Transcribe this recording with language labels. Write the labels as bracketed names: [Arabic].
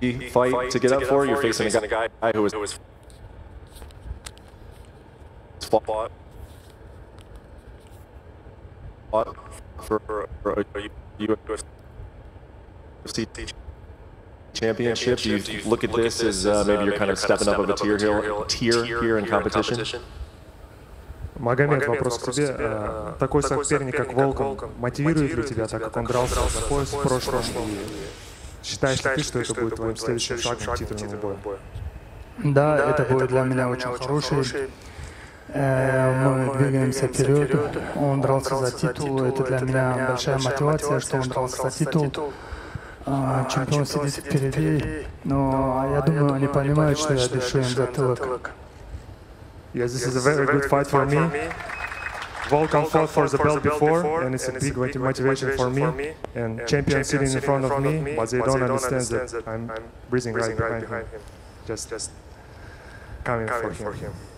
[English] fight to get up for. You're facing a guy who was fought for a UFC championship. Do you look at this as maybe you're kind of stepping up of a tier here in competition? [Russian] Магомед, вопрос к тебе. Такой соперник, как Волков, мотивирует ли тебя, так как он дрался за пояс в прошлом? Считаешь ли ты, что это будет твоим следующим шагом к титульному бою? Да, это будет для меня очень хороший. Мы двигаемся вперед. Он дрался за титул. Это для меня большая мотивация, что он дрался за титул. Чемпион сидит впереди. Но я думаю, они понимают, что я дышу им затылок. [English] Yes, this is a very good fight for me. Volkan fought for the belt before, and it's a big motivation for me. And champion sitting in front of me, but they don't understand that I'm breathing right behind him. Just coming for him.